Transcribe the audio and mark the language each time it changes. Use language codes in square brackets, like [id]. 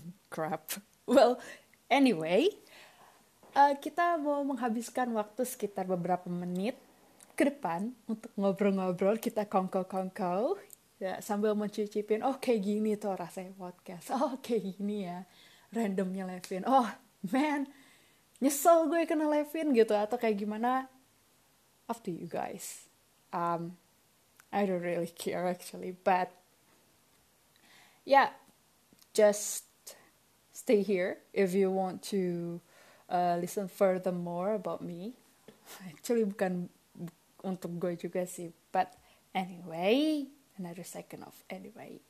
[id] Crap. [en] Well, anyway, [id] kita mau menghabiskan waktu sekitar beberapa menit ke depan untuk ngobrol-ngobrol, kita kongko-kongko, ya, sambil mencicipin, oh kayak gini tuh rasanya podcast, oh kayak gini ya, randomnya Levin, [en] oh man, [id] nyesel gue kenal Levin gitu, atau kayak gimana, [en] up to you guys. I don't really care actually, but yeah, just stay here if you want to listen further more about me. [id] Actually, bukan untuk gue juga sih. [en] But anyway, another second of anyway.